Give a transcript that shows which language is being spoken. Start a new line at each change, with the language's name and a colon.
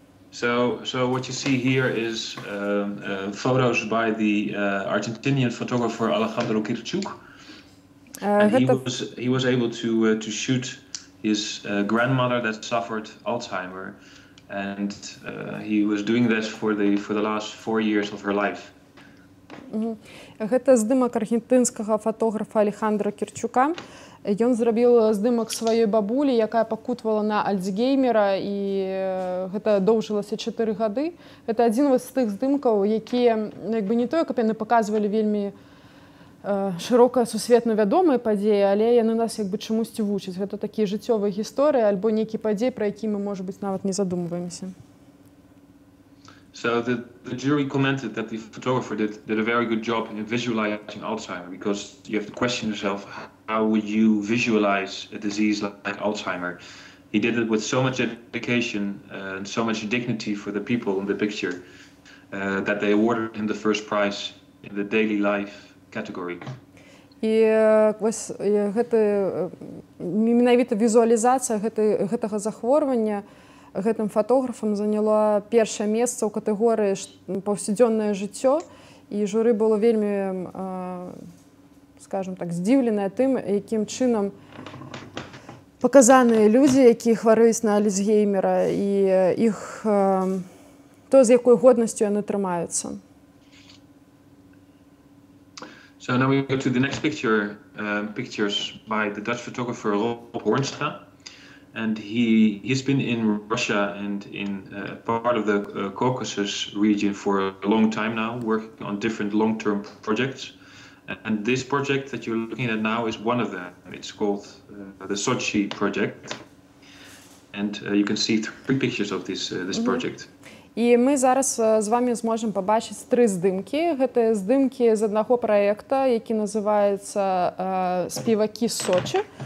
English: So what you see here is photos by the Argentinian photographer Alejandro Kirchuk. He was able to shoot his grandmother that suffered Alzheimer. And he was doing this for the last 4 years of her life.
Belarusian: Гэта здымак аргентынскага фатографа Алехандра Кірчука. Ён зрабіў здымак сваёй бабулі, якая пакутвала на Альцгеймера, і гэта доўжылася 4 гады. Гэта адзін з тых здымкаў, якія не тое, каб яны паказвалі вельмі шырока сусветна вядомыя падзеі, але яны нас чамусьці вучаць. Гэта такія жыццёвыя гісторыі альбо нейкія падзеі, пра якія мы, можа быць, нават не задумваемся.
English: So the jury commented that the photographer did a very good job in visualizing Alzheimer, because you have to question yourself, how would you visualize a disease like Alzheimer? He did it with so much dedication and so much dignity for the people in the picture that they awarded him the first prize in the daily life category.
Belarusian: І вось гэта менавіта візуалізацыя гэтага захворвання гэтым фатографам заняла першае месца ў катэгорыі паўсядзённае жыццё, і журы было вельмі, скажам так, здзіўленае тым, якім чынам паказаныя людзі, якія хварэюць на Альцгеймера, і іх то з якой годнасцю яны трымаюцца.
English: So now we go to the next picture, pictures by the Dutch photographer Rob Hornstra. And he's been in Russia and in part of the Caucasus region for a long time now, working on different long-term projects. And this project that you're looking at now is one of them. It's called the Sochi project. And you can see three pictures of this project.
Belarusian: І мы зараз з вами зможам пабачыць тры здымкі. Гэта здымкі з аднаго праекта, які называецца «Співакі з Сочі».